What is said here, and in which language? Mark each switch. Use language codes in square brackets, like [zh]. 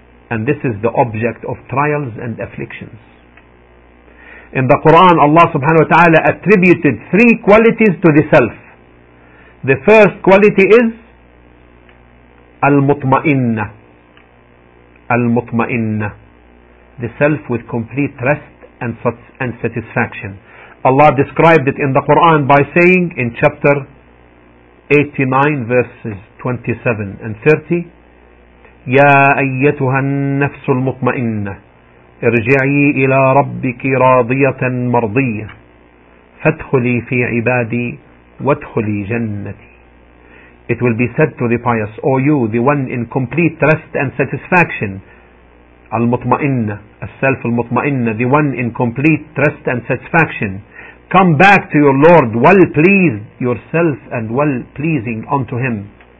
[en] And this is the object of trials and afflictions. In the Quran, Allah subhanahu wa ta'ala attributed three qualities to the self. The first quality is al-mutma'inna. Al-mutma'inna. The self with complete rest and satisfaction. Allah described it in the Quran by saying in chapter 89 verses 27 and 30, [ar] يا أيتها النفس المطمئنة ارجعي إلى ربك راضية مرضية فادخلي في عبادي وادخلي جنتي. [en] It will be said to the pious, O you, the one in complete rest and satisfaction, المطمئنة, a self المطمئنة, the one in complete rest and satisfaction, come back to your Lord well pleased yourself and well pleasing unto Him.